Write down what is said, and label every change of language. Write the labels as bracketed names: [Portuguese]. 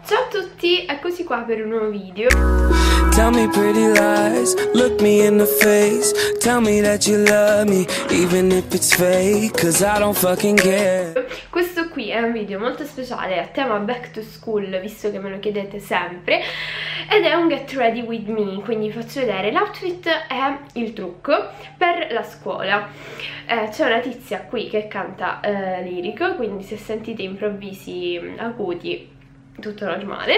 [Italian] tutti, eccoci qua per un nuovo video. [English] Tell me pretty lies, look me in the face, tell me that you love me, even if it's fake, cause I don't fucking care. [Italian] Questo qui è un video molto speciale a tema back to school, visto che me lo chiedete sempre, ed è un [English] get ready with me, [Italian] quindi vi faccio vedere. L'outfit è il trucco per la scuola. C'è una tizia qui che canta lirico, quindi se sentite improvvisi acuti, tutto normale.